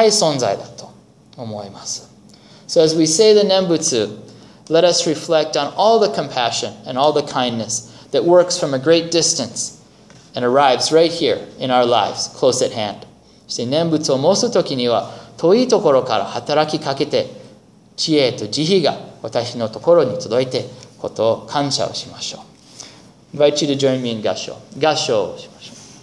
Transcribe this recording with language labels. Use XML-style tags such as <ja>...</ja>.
<ja>そして、私たちが、こういうふうに導かれて、ここに集まっていただいて、その先方者の方々が私たちを導いてここに来られて、きっと近い存在だと思います。</ja> <en>So as we say the Nembutsu, let us reflect on all the compassion and all the kindness that works from a great distance and arrives right here in our lives, close at hand.</en> <ja>そして念仏を申すときには、遠いところから働きかけて、知恵と慈悲が私のところに届いて、ことを感謝をしましょう。</ja> <en>Invite you to join me in Gassho.</en> <ja>Gassho をしましょう。</ja>